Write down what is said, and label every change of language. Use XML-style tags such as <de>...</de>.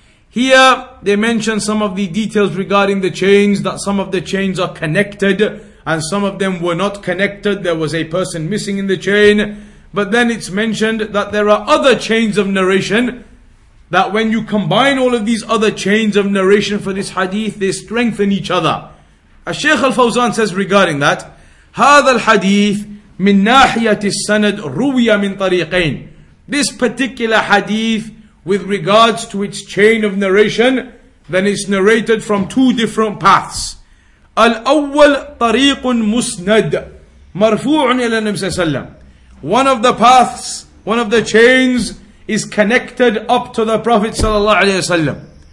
<en>Here, they mention some of the details regarding the chains, that some of the chains are connected, and some of them were not connected, there was a person missing in the chain. But then it's mentioned that there are other chains of narration, that when you combine all of these other chains of narration for this hadith, they strengthen each other. As Shaykh Al-Fawzan says regarding that,</en> <ar>هذا الحديث من ناحية السند روية من طريقين.</ar> <en>This particular hadith, with regards to its chain of narration, then it's narrated from two different paths.</en> <ar>Al-awwal tariqun musnad, marfu'un ila Nabi sallam.</ar> <en>One of the paths, one of the chains, is connected up to the Prophet sallallahu alayhi wasallam.</en>